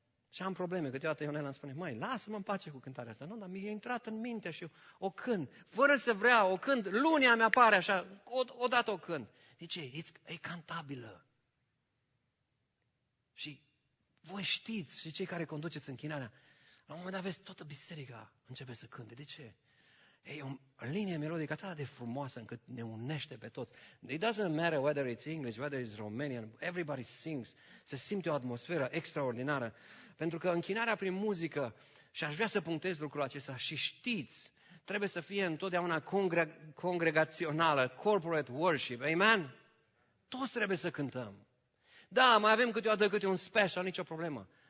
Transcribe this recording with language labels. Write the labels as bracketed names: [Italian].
[Romanian] Și am probleme, câteodată Ionela îmi spune, măi, lasă-mă în pace cu cântarea asta, nu, dar mi-a intrat în minte și o cânt, fără să vreau, o cânt, lunea mi apare așa, odată o cânt. Zice, e cantabilă. Și voi știți, și cei care conduceți închinarea, la un moment dat vezi, toată biserica începe să cânte, de ce? E o linie melodică atât de frumoasă încât ne unește pe toți. [English] It doesn't matter whether it's English, whether it's Romanian, everybody sings. [Romanian] Se simte o atmosferă extraordinară. Pentru că închinarea prin muzică, și aș vrea să punctez lucrul acesta, și știți, trebuie să fie întotdeauna congregațională, corporate worship, amen? Toți trebuie să cântăm. Da, mai avem câteodată câte un special, nicio problemă.